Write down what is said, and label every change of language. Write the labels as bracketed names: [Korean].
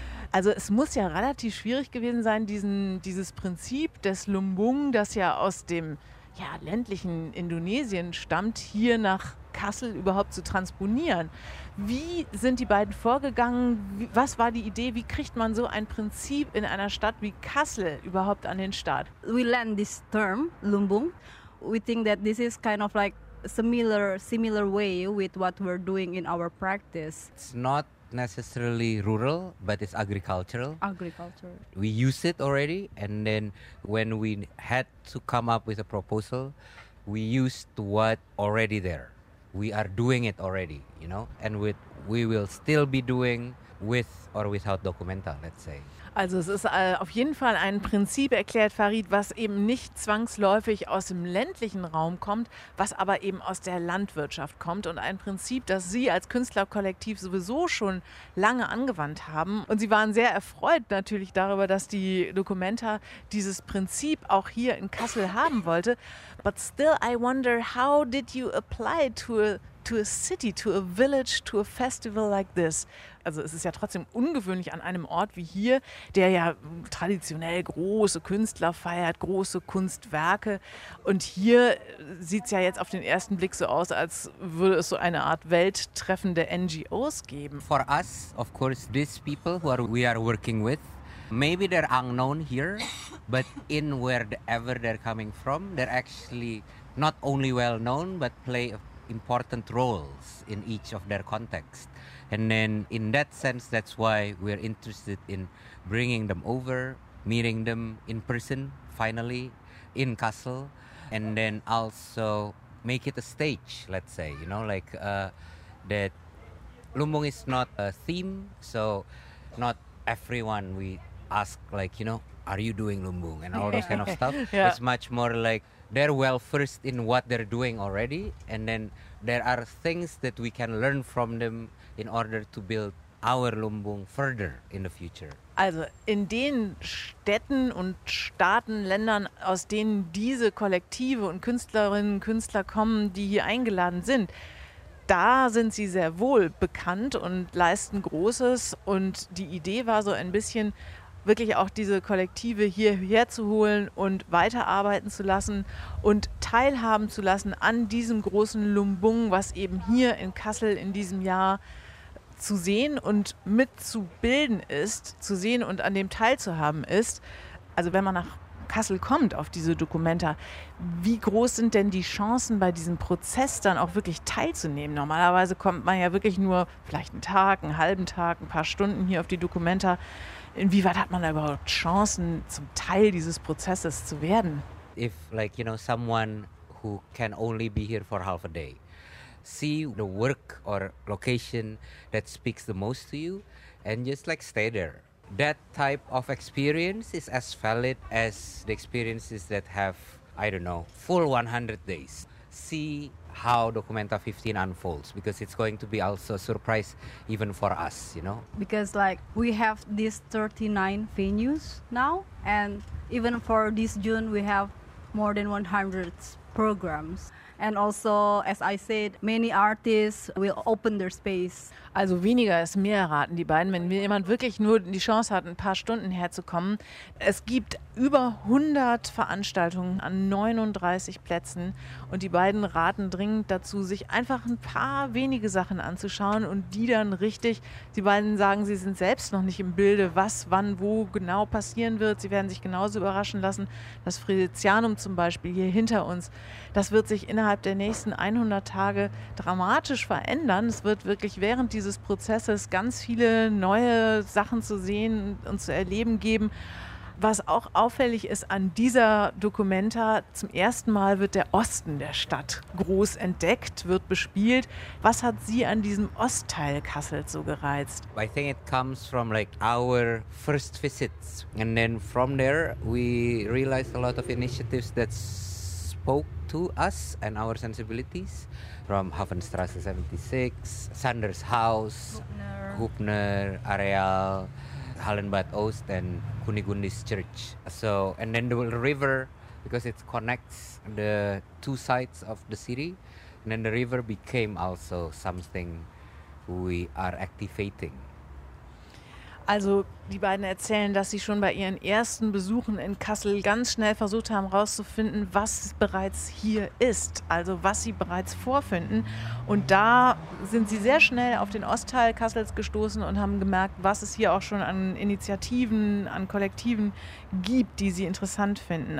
[German] Also es muss ja relativ schwierig gewesen sein, dieses Prinzip des Lumbung, das ja aus dem ländlichen Indonesien stammt, hier nach Kassel überhaupt zu transponieren. Wie sind die beiden vorgegangen? Was war die Idee? Wie kriegt man so ein Prinzip in einer Stadt wie Kassel überhaupt an den Start? [English] We learned this term, Lumbung. We think that this is kind of like similar way with what we're doing in our practice. It's not necessarily rural, but it's agricultural. We use it already, and then when we had to come up with a proposal, we used what already there. We are doing it already, you know, and we will still be doing with or without Dokumenta, let's say. [German] Also es ist auf jeden Fall ein Prinzip, erklärt Farid, was eben nicht zwangsläufig aus dem ländlichen Raum kommt, was aber eben aus der Landwirtschaft kommt. Und ein Prinzip, das Sie als Künstlerkollektiv sowieso schon lange angewandt haben. Und Sie waren sehr erfreut natürlich darüber, dass die Dokumenta dieses Prinzip auch hier in Kassel haben wollte. [English] But still I wonder, how did you apply to a city, to a village, to a festival like this? [German] Also es ist ja trotzdem ungewöhnlich an einem Ort wie hier, der ja traditionell große Künstler feiert, große Kunstwerke. Und hier sieht es ja jetzt auf den ersten Blick so aus, als würde es so eine Art welttreffende NGOs geben. For us, of course, these people who are, we are working with, maybe they're unknown here, but in wherever they're coming from, they're actually not only well known, but play important roles in each of their contexts. And then in that sense, that's why we're interested in bringing them over, meeting them in person, finally, in Kassel, and then also make it a stage, let's say, you know, like that Lumbung is not a theme, so not everyone we ask, like, you know, are you doing Lumbung and all those kind of stuff. Yeah. It's much more like they're well versed in what they're doing already, and then there are things that we can learn from them in order to build our Lumbung further in the future. Also in den Städten und Staaten, Ländern, aus denen diese Kollektive und Künstlerinnen und Künstler kommen, die hier eingeladen sind, da sind sie sehr wohl bekannt und leisten Großes. Und die Idee war so ein bisschen, wirklich auch diese Kollektive hierher zu holen und weiterarbeiten zu lassen und teilhaben zu lassen an diesem großen Lumbung, was eben hier in Kassel in diesem Jahr zu sehen und mitzubilden ist, zu sehen und an dem teilzuhaben ist. Also wenn man nach Kassel kommt auf diese Dokumenta, wie groß sind denn die Chancen, bei diesem Prozess dann auch wirklich teilzunehmen? Normalerweise kommt man ja wirklich nur vielleicht einen Tag, einen halben Tag, ein paar Stunden hier auf die Dokumenta. Inwieweit hat man da überhaupt Chancen, zum Teil dieses Prozesses zu werden? [English] If, like, you know, someone who can only be here for half a day, see the work or location that speaks the most to you and just, like, stay there. That type of experience is as valid as the experiences that have, I don't know, full 100 days. See how Documenta 15 unfolds, because it's going to be also a surprise even for us, you know? Because like we have these 39 venues now, and even for this June we have more than 100 programs. And also, as I said, many artists will open their space. [German] Also weniger ist mehr, raten die beiden. Wenn jemand wirklich nur die Chance hat, ein paar Stunden herzukommen. Es gibt über 100 Veranstaltungen an 39 Plätzen. Und die beiden raten dringend dazu, sich einfach ein paar wenige Sachen anzuschauen und die dann richtig. Die beiden sagen, sie sind selbst noch nicht im Bilde, was, wann, wo genau passieren wird. Sie werden sich genauso überraschen lassen. Das Friedrichianum zum Beispiel hier hinter uns, das wird sich innerhalb der nächsten 100 Tage dramatisch verändern. Es wird wirklich während dieses Prozesses ganz viele neue Sachen zu sehen und zu erleben geben. Was auch auffällig ist an dieser Documenta, zum ersten Mal wird der Osten der Stadt groß entdeckt, wird bespielt. Was hat Sie an diesem Ostteil Kassels so gereizt? [English] I think it comes from like our first visits. And then from there we realized a lot of initiatives that spoke to us and our sensibilities. From Hafenstrasse 76, Sanders House, Hubner Areal, Hallenbad Ost, and Kunigundis Church. So, and then the river, because it connects the two sides of the city, and then the river became also something we are activating. [German] Also die beiden erzählen, dass sie schon bei ihren ersten Besuchen in Kassel ganz schnell versucht haben herauszufinden, was bereits hier ist, also was sie bereits vorfinden. Und da sind sie sehr schnell auf den Ostteil Kassels gestoßen und haben gemerkt, was es hier auch schon an Initiativen, an Kollektiven gibt, die sie interessant finden.